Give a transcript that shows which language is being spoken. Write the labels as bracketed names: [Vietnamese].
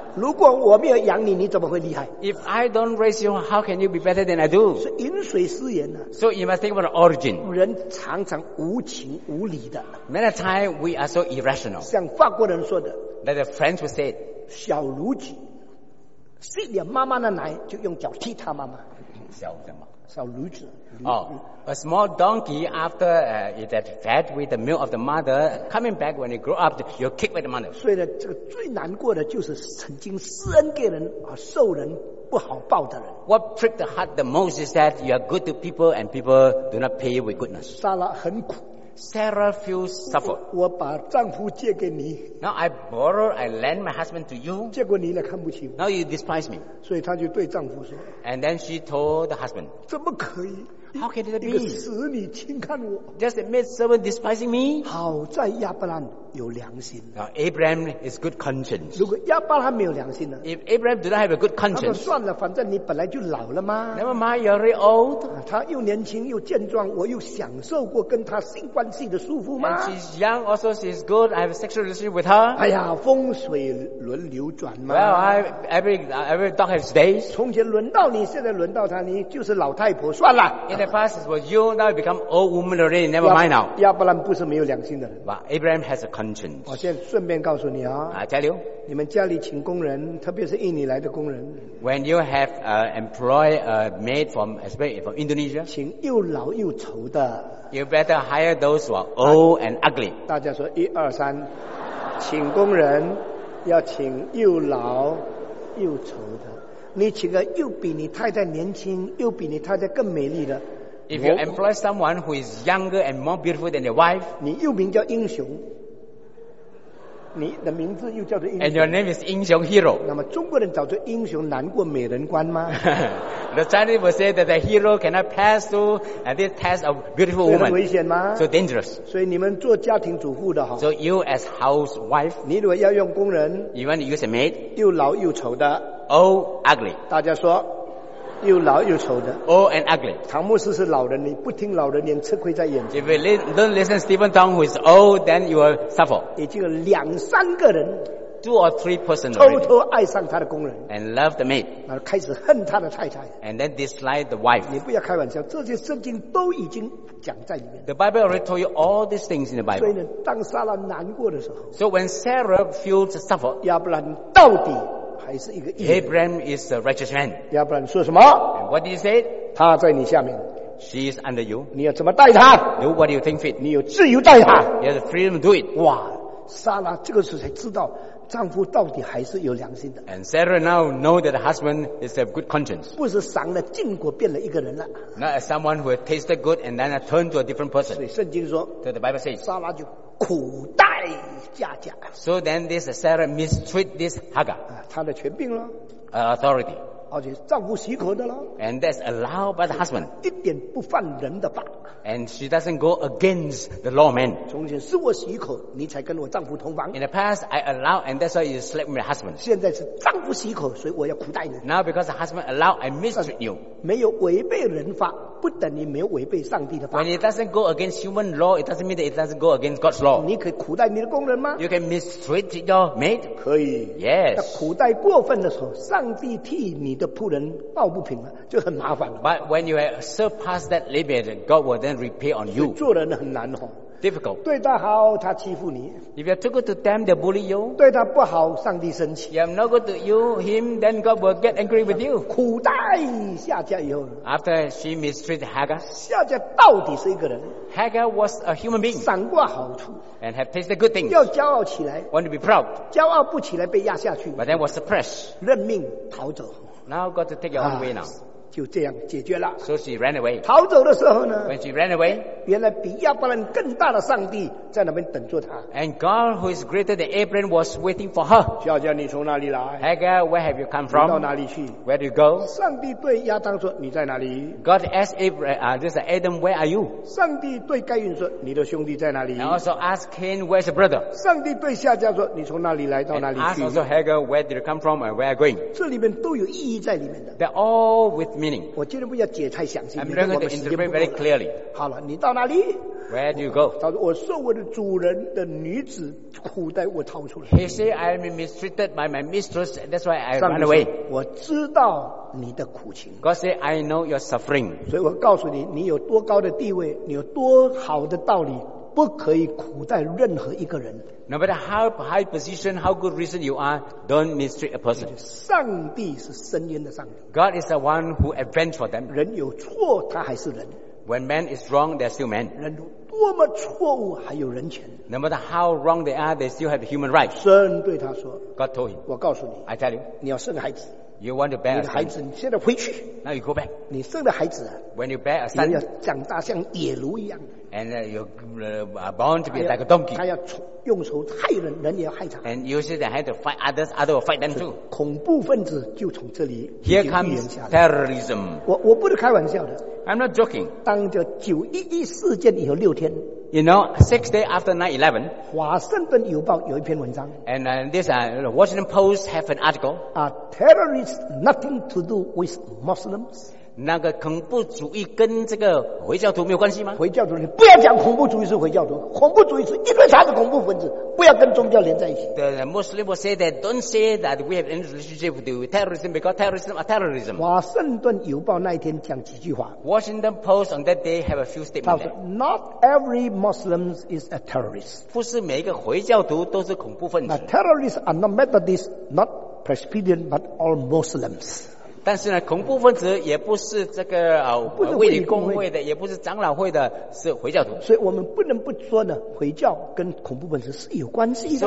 [Chinese] 如果我没有养你，你怎么会厉害 [English] ？If I don't raise you, how can you be better than I do？ [Chinese] 是饮水思源呢。 [English] So you must think about the origin。 [Chinese] 人常常无情无理的。 [English] Many times we are so irrational。 [Chinese] 像法国人说的 [English] ，That the French would say， [Chinese] 小如己，吸了妈妈的奶就用脚踢她妈妈。小驴子。 [English] A small donkey after it had fed with the milk of the mother, coming back when you grow up, you kick with the mother. [Chinese] 所以呢，这个最难过的就是曾经施恩给人而受人不好报的人。 [English] What pricked the heart the most is that you are good to people and people do not pay you with goodness. [Chinese] 撒拉很苦。 [English] Sarah feels suffered. [Chinese] 我把丈夫借给你。 [English] Now I lend my husband to you. [Chinese] 结果你来看不起我。 [English] Now you despise me. [Chinese] 所以她就对丈夫说。 [English] And then she told the husband. [Chinese] 怎么可以？ [English] How can it be? [Chinese] 一个使女轻看我。 [English] Just a maid servant despising me? [Chinese] 好在亚伯兰有良心。 [English] Now Abraham is good conscience. [Chinese] 如果亚伯兰没有良心呢？ [English] If Abraham did not have a good conscience. [Chinese] 他说算了，反正你本来就老了嘛。 [English] Never mind, you're very old. [Chinese] 他又年轻又健壮，我又享受过跟他性关。 [English] And she's young, also she's good. I have a sexual relationship with her. [Chinese] 哎呀，风水轮流转嘛。 [English] Well, every dog has days. [Chinese] 从前轮到你，现在轮到他，你就是老太婆算了。 [English] In the past it was you, now you become old woman already. Never mind now. [Chinese] 亚伯兰不是没有良心的人。 [English] But Abraham has a conscience. [Chinese] 我先顺便告诉你啊。 [English] I tell you. [Chinese] 你们家里请工人，特别是印尼来的工人。 [English] When you have employ a maid from especially from Indonesia. [Chinese] 请又老又丑的。 [English] You better hire those who are old and ugly. [Chinese] 大家说一二三，请工人要请又老又丑的。你请个又比你太太年轻，又比你太太更美丽的。 [English] If you employ someone who is younger and more beautiful than your wife, [Chinese] 你又名叫英雄。你的名字又叫做英雄。 [English] And your name is 英雄 hero. [Chinese] 那么中国人找做英雄难过美人关吗？ [English] The Chinese will say that the hero cannot pass through this test of beautiful woman. [Chinese] 危险吗 [English] ？So dangerous. [Chinese] 所以你们做家庭主妇的哈。 [English] So you as housewife. [Chinese] 你如果要用工人。 [English] You want to use a maid. [Chinese] 又老又丑的。 [English] Old ugly. [Chinese] 大家说，又老又丑的。 [English] Old and ugly. [Chinese] 唐牧师是老人，你不听老人言，吃亏在眼前。 [English] If you don't listen Stephen Tong who is old, then you will suffer. [Chinese] 已经有两三个人。 [English] two or three persons already. And love the maid. [Chinese] 开始恨他的太太。 [English] And then dislike the wife. [Chinese] 你不要开玩笑，这些圣经都已经讲在里面。 [English] The Bible already told you all these things in the Bible. [Chinese] 所以呢，当撒拉难过的时候。 [English] So when Sarah feels suffered, [Chinese] 亚伯兰到底还是一个义人。 [English] Abraham is a righteous man. [Chinese] 亚伯兰说什么？ [English] And what did he say? [Chinese] 他在你下面。 [English] She is under you. [Chinese] 你要怎么带她？ [English] Do what you think fit. [Chinese] 你有自由带她。 [English] You have the freedom to do it. [Chinese] 哇，撒拉这个时候才知道丈夫到底还是有良心的。 [English] And Sarah now know that the husband is of good conscience. [Chinese] 不是赏了禁果变了一个人了。 [English] Not as someone who has tasted good and then turned to a different person. [Chinese] 所以圣经说， [English] So the Bible says, [Chinese] 撒拉就苦待佳佳。 [English] So then this Sarah mistreat this Hagar. [Chinese] 她的权柄了。 [English] Authority. [Chinese] 而且丈夫许可的了 [English] and that's allowed by the husband [Chinese] 一点不犯人的法 [English] and she doesn't go against the law man [Chinese] 从前是我许可你才跟我丈夫同房 [English] in the past I allowed and that's why you slept with my husband [Chinese] 现在是丈夫许可所以我要苦待你 [English] now because the husband allowed I mistreat you [Chinese] 没有违背人法不等于没有违背上帝的法 [English] when it doesn't go against human law it doesn't mean that it doesn't go against God's law [Chinese] 你可以苦待你的工人吗 [English] you can mistreat your maid [Chinese] 可以 [English] yes [Chinese] 苦待过分的时候上帝替你的仆人抱不平了就很麻烦了 [English] but when you have surpassed that limit God will then repay on you [Chinese] 做人很难哦 [English] difficult [Chinese] 对他好他欺负你 [English] if you're too good to them they bully you [Chinese] 对他不好上帝生气 [English] if you're not good to you him then God will get angry with you [Chinese] 苦待夏甲以后 [English] after she mistreated Hagar [Chinese] 夏甲到底是一个人 [English] Hagar was a human being [Chinese] 赏过好处 [English] and have tasted good things [Chinese] 要骄傲起来 [English] want to be proud [Chinese] 骄傲不起来被压下去 [English] but then was suppressed [Chinese] 认命逃走 [English] now got to take your own way now [Chinese] 就这样解决了。 [English] So she ran away. [Chinese] 逃走的时候呢 [English] ？When she ran away, [Chinese] 原来比亚伯兰更大的上帝在那边等着她。 [English] And God, who is greater than Abraham, was waiting for her. [Chinese] 夏甲，你从哪里来 [English] ？Hagar, where have you come from? [Chinese] 到哪里去 [English] ？Where do you go? [Chinese] 上帝对亚当说：“你在哪里 [English] ？”God asked Abraham, Adam, where are you? [Chinese] 上帝对该隐说：“你的兄弟在哪里 [English] ？”And also asked Cain, where's your brother? [Chinese] 上帝对夏甲说：“你从哪里来到哪里去 [English] ？”Also Hagar, where did you come from and where are you going? [Chinese] 这里面都有意义在里面的。 [English] They're all with me. [Chinese] 我今天不要解太详细。 [English] I'm going to interpret very clearly. [Chinese] 好了，你到哪里 [English] ？Where do you go？ [Chinese] 他说：“我受我的主人的女子苦待，我逃出来。 [English] ”He said, "I am mistreated by my mistress, and that's why I ran away." [Chinese] 我知道你的苦情。 [English] God said, "I know your suffering." [Chinese] 所以我告诉你，你有多高的地位，你有多好的道理，不可以苦待任何一个人。 [English] No matter how high position, how good reason you are, don't mistreat a person. [Chinese] 上帝是伸冤的上帝。 [English] God is the one who avenged for them. [Chinese] 人有错，他还是人。 [English] When man is wrong, they're still man. [Chinese] 人多么错误，还有人权。 [English] No matter how wrong they are, they still have human rights. [Chinese] 神对他说 [English] ，God told him, [Chinese] 我告诉你 [English] ，I tell you, [Chinese] 你要生个孩子。 [English] You want to bear a son. [Chinese] 你的孩子，你现在回去。 [English] Now you go back. [Chinese] 你生的孩子啊 [English] ，When you bear a son, [Chinese] 你要长大像野驴一样。 [English] And you're bound to be like a donkey. [Chinese] 他要用手害人，人也要害他。 [English] And you see, they have to fight others, others will fight them too. [Chinese] 恐怖分子就从这里。 [English] Here comes terrorism. [Chinese] 我不是开玩笑的。 [English] I'm not joking. [Chinese] 当着九一一事件以后六天。 [English] You know, 6 days after 9/11, [Chinese] 华盛顿邮报有一篇文章 [English] and this Washington Post have an article. Terrorists nothing to do with Muslims. [Chinese] 那个恐怖主义跟这个回教徒没有关系吗？回教徒，你不要讲恐怖主义是回教徒，恐怖主义是因为他是恐怖分子，不要跟宗教连在一起。 [English] The Muslim will say that, don't say that we have any relationship with terrorism because terrorism are terrorism. [Chinese] 华盛顿邮报那一天讲几句话。 [English] Washington Post on that day have a few statements. Not every Muslim is a terrorist. [Chinese] 不是每一个回教徒都是恐怖分子。 [English] Terrorists are not Methodists, not Presbyterian, but all Muslims. [Chinese] 但是呢，恐怖分子也不是这个卫理公会的，也不是长老会的，是回教徒。所以我们不能不说呢，回教跟恐怖分子是有关系的。